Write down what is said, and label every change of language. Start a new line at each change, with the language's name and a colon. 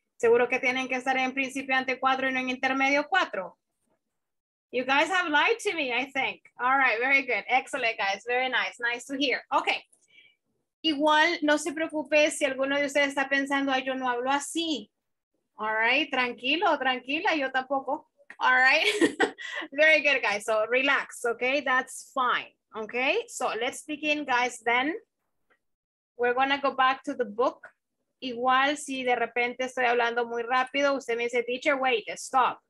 Spanish: Seguro que tienen que estar en principiante 4 y no en intermedio 4.
English: You guys have lied to me, I think. All right. Very good. Excellent, guys. Very nice. Nice to hear. Okay.
Spanish: Igual, no se preocupe si alguno de ustedes está pensando, ay, yo no hablo así.
English: All right.
Spanish: Tranquilo, tranquila. Yo tampoco.
English: All right. Very good, guys. So relax. Okay. That's fine. Okay. So let's begin, guys. Then we're going to go back to the book.
Spanish: Igual, si de repente estoy hablando muy rápido, usted me dice,
English: teacher, wait, stop.